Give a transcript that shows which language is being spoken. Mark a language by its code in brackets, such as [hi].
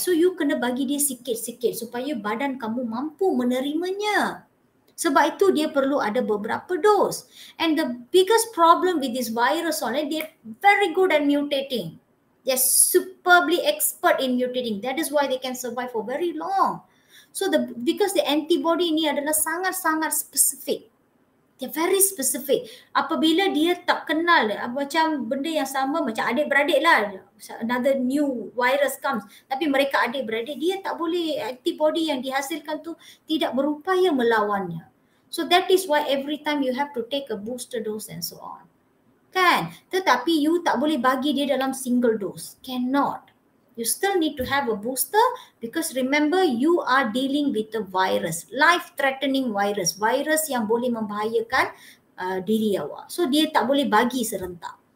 [ms] So you kena bagi dia sikit-sikit supaya badan kamu mampu menerimanya. Sebab itu dia perlu ada beberapa dos. [en] And the biggest problem with this virus only, they're very good at mutating. They're superbly expert in mutating. That is why they can survive for very long. So the because the antibody [ms] ini adalah sangat-sangat [en] specific. They're very specific. [ms] Apabila dia tak kenal macam benda yang sama, macam adik-beradik lah, [en] another new virus comes, [ms] tapi mereka adik-beradik, dia tak boleh, antibody yang dihasilkan tu tidak berupaya melawannya. [en] So that is why every time you have to take a booster dose and so on. [ms] Kan? Tetapi you tak boleh bagi dia dalam single dose. [en] Cannot. You still need to have a booster because remember you are dealing with a virus, life-threatening virus, [ms] virus yang boleh membahayakan diri awak. So dia tak boleh bagi serentak.